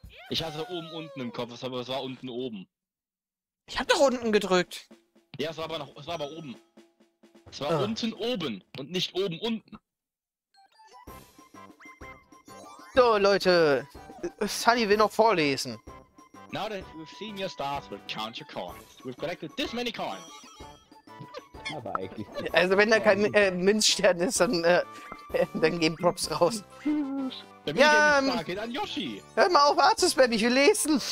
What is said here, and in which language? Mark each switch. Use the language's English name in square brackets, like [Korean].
[German] Ich hatte oben unten im Kopf, aber es war unten oben. Ich hab doch unten gedrückt. Ja, es war aber oben. Es war unten oben und nicht oben unten. So, Leute. Sunny will noch vorlesen. [English] Now that we've seen your stars, we'll count your coins. We've collected this many coins. [German] Aber eigentlich. Also, wenn da kein Münzstern ist, dann gehen Props raus. Ja, geht an Yoshi. Hör mal auf, Arzusband, ich will lesen.